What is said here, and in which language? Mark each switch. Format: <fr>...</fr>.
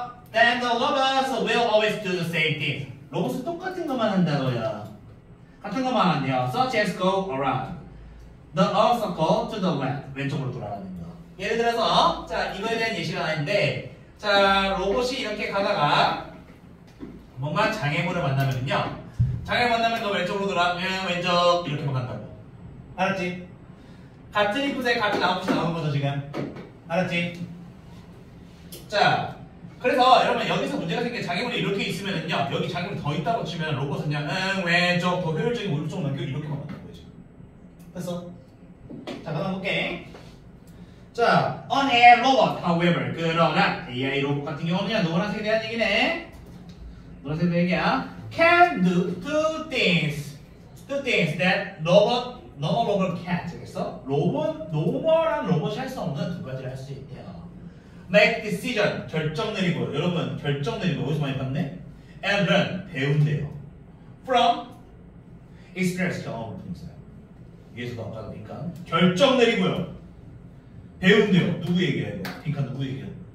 <en>Then the robots will always do the same thing.</en> <ko>로봇은 똑같은 것만 한다고요. 같은 것만 한대요.</ko> <en>Such as go around the obstacle to the left,</en> <ko>왼쪽으로 돌아가는 거. 예를 들어서, 자, 이거에 대한 예시가 나는데, 자, 로봇이 이렇게 가다가 뭔가 장애물을 만나면요, 장애물 만나면 더 왼쪽으로 돌아가면 왼쪽 이렇게만 간다고. 알았지? 같은 인풋에 같은 아웃풋이 나오는 거죠 지금. 알았지? 자, 그래서 여러분 여기서 문제가 생겨. 장애물이 이렇게 있으면은요, 여기 장애물 더 있다고 치면 로봇은요, 왼쪽 더 효율적인 오른쪽 넘겨 이렇게만 간다고 해야지. 됐어? 자, 가볼게. 자,</ko> <en>an AI robot, however,</en> <ko>그러나 AI 로봇 같은 경우는요, 노란색에 대한 얘기네. 노란색에 대한 얘기야.</ko> <en>Can do two things that normal robot can't.</en> <ko>그래서 로봇, 노멀한 로봇이 할 수 없는 두 가지를 할 수 있대요.</ko> <en>Make decision,</en> <ko>결정 내리고, 여러분 결정 내리고 어디서 많이 봤네?</ko> <en>And learn,</en> <ko>배운대요.</ko> <en>From experience,</en> <ko>경험을 통해서요. 위에서도 아까 그러니까 결정 내리고요. 배운대요. 누구 얘기야 이거? 핑카 누구 얘기야?</ko>